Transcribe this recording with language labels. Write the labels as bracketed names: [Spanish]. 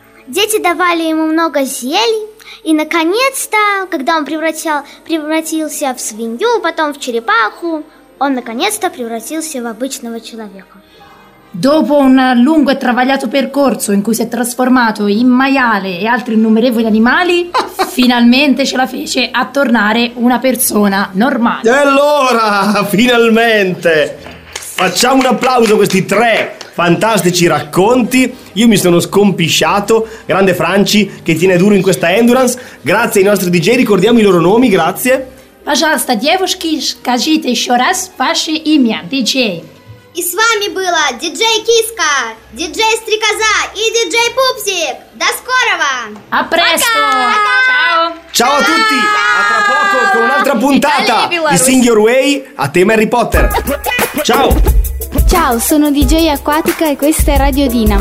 [Russian] Дети давали ему много зелий, и наконец-то, когда он превратился в свинью, потом в черепаху, он наконец-то превратился в обычного человека. [Italian] Dopo un lungo e travagliato percorso in cui si è trasformato in maiale e altri innumerevoli animali, finalmente ce la fece a tornare una persona normale. E allora, finalmente! Facciamo un applauso a questi tre fantastici racconti. Io mi sono scompisciato. Grande Franci, che tiene duro in questa Endurance. Grazie ai nostri DJ, ricordiamo i loro nomi, grazie. [Russian] Пожалуйста, девушки, скажите еще раз ваше имя, DJ. И с вами было DJ Киска, DJ Стрекоза и DJ Пупсик. До скорого! [Italian] А presto! Ciao a tutti! A tra poco con un'altra puntata di Sing Your Way a tema Harry Potter. Ciao! Ciao, sono DJ Acquatica e questa è Radio Dinamo.